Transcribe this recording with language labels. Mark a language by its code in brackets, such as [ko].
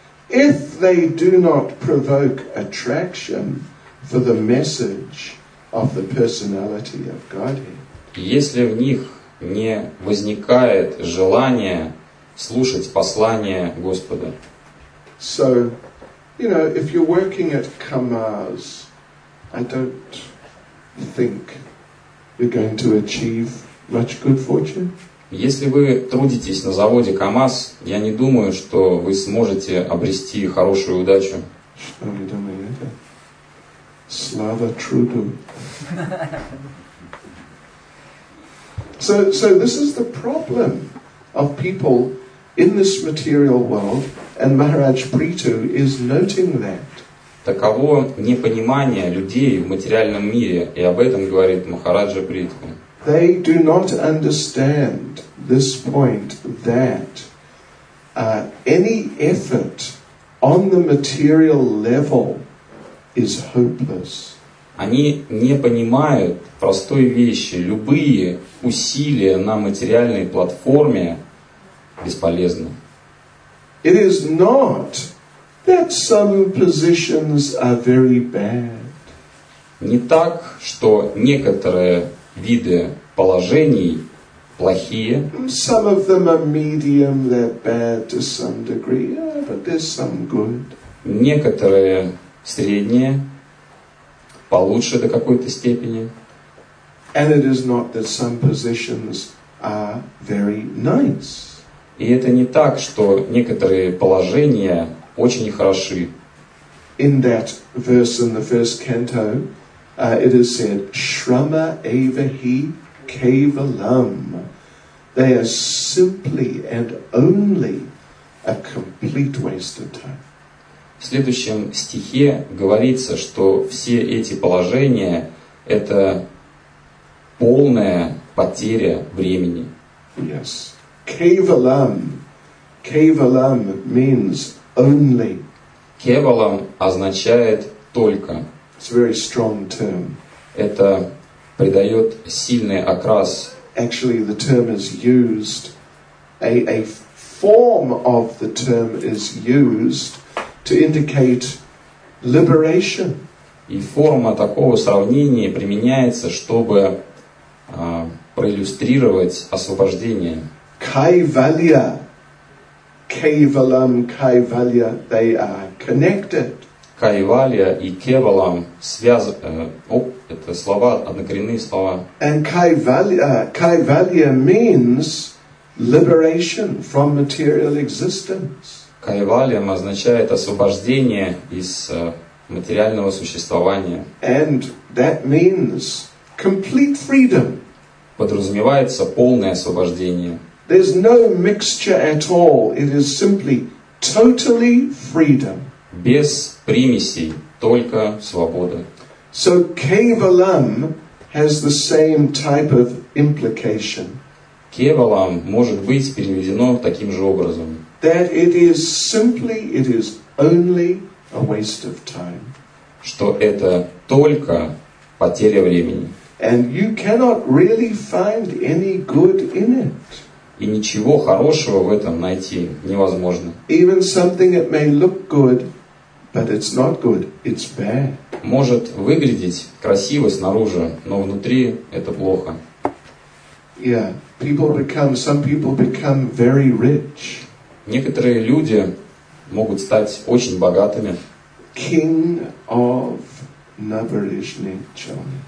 [en] If they do not provoke attraction for the message of the personality of Godhead. [ru] Если в них не возникает желания слушать послание Господа. [en] So, you know, if you're working at Kamas, I don't think you're going to achieve much good fortune. [ru] Если вы трудитесь на заводе Камаз, я не думаю, что вы сможете обрести хорошую удачу. Что вы думаете? Слава труду. [en] So this is the problem of people in this material world, and Maharaj Prithu is noting that. [ru] Таково непонимание людей в материальном мире, и об этом говорит Махараджа Притху. [en] They do not understand this point that any effort on the material level is hopeless. [ru] Они не понимают простой вещи. Любые усилия на материальной платформе бесполезны. [en] It is not that some positions are very bad. [ru] Не так, что некоторые виды положений плохие. [en] Some of them are medium, they're bad to some degree, but there's some good. [ru] Некоторые средние. получше до какой-то степени. [en] And it is not that some positions are very nice. [ru] И это не так, что некоторые положения очень хороши. [en] In that verse in the first canto, it is said, [sa] Shrama evahi kevalam. [en] They are simply and only a complete waste of time. [ru] В следующем стихе говорится, что все эти положения — это полная потеря времени. [en] Yes. Kevalam. Kevalam means only. [ru] Кевалам означает только. [en] It's a very strong term. [ru] Это придает сильный окрас. [en] Actually, the term is used, a form of the term is used to indicate liberation. [ru] И форма такого сравнения применяется, чтобы проиллюстрировать освобождение. [en] Кайвалья. Кайвалам, кайвалья, they are connected. [ru] Кайвалья и кевалам связаны. Это слова, однокоренные слова. [en] And кайвалья means liberation from material existence. [ru] Кайвальям означает освобождение из материального существования. [en] And that means complete freedom. [ru] Подразумевается полное освобождение. [en] There's no mixture at all. It is simply totally freedom. [ru] Без примесей, только свобода. [en] So kevalam has the same type of implication. [ru] Кевалам может быть переведено таким же образом. [en] That it is simply, it is only a waste of time. [ru] Что это только потеря времени. [en] And you cannot really find any good in it. [ru] И ничего хорошего в этом найти невозможно. [en] Even something it may look good, but it's not good, it's bad. [ru] Может выглядеть красиво снаружи, но внутри это плохо. [en] Yeah, some people become very rich. [ru] Некоторые люди могут стать очень богатыми. [en] King of Набережные Челны.